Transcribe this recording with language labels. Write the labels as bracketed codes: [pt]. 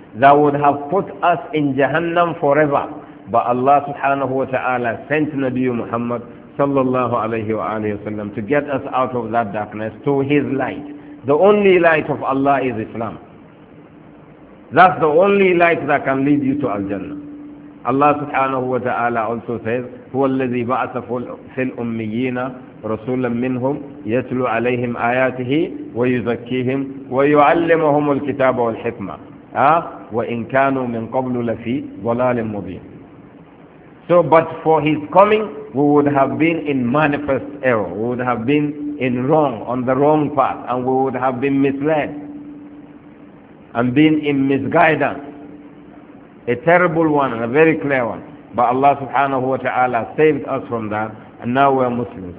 [en] That would have put us in Jahannam forever. But Allah subhanahu wa ta'ala sent Nabi Muhammad sallallahu alayhi wa alayhi wa sallam to get us out of that darkness to his light. The only light of Allah is Islam. That's the only light that can lead you to Al-Jannah. Allah subhanahu wa ta'ala also says, [ar] هُوَ الَّذِي بَعْثَ فِي الْأُمِّيِّينَ رَسُولًا مِّنْهُمْ يَتْلُ عَلَيْهِمْ آيَاتِهِ وَيُزَكِّيهِمْ وَيُعَلِّمُهُمُ الْكِتَابَ وَالْحِكْمَةِ وَإِنْ كَانُوا مِنْ قَبْلُ لَفِي ضَلَالٍ مُّبِينٍ. [en] So, but for his coming, we would have been in manifest error. We would have been in wrong, on the wrong path, and we would have been misled and been in misguidance. A terrible one and a very clear one. But Allah subhanahu wa ta'ala saved us from that, and now we are Muslims.